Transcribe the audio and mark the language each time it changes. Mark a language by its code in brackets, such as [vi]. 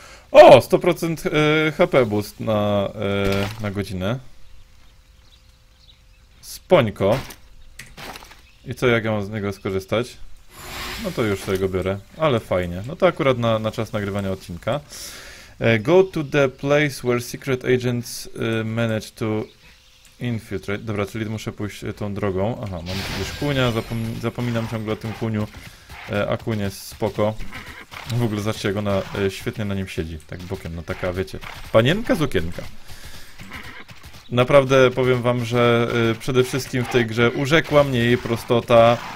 [pl] O, 100% HP boost na godzinę. Spońko. I co, jak ja mam z niego skorzystać? No to już sobie go biorę, ale fajnie. No to akurat na czas nagrywania odcinka. [en] Go to the place where secret agents manage to infiltrate. [pl] Dobra, czyli muszę pójść tą drogą. Aha, mam gdzieś kunia, zapominam ciągle o tym kuniu. A kun jest spoko. W ogóle zobaczcie, jak ona świetnie na nim siedzi. Tak bokiem, no taka, wiecie, panienka z okienka. Naprawdę powiem wam, że przede wszystkim w tej grze urzekła mnie jej prostota.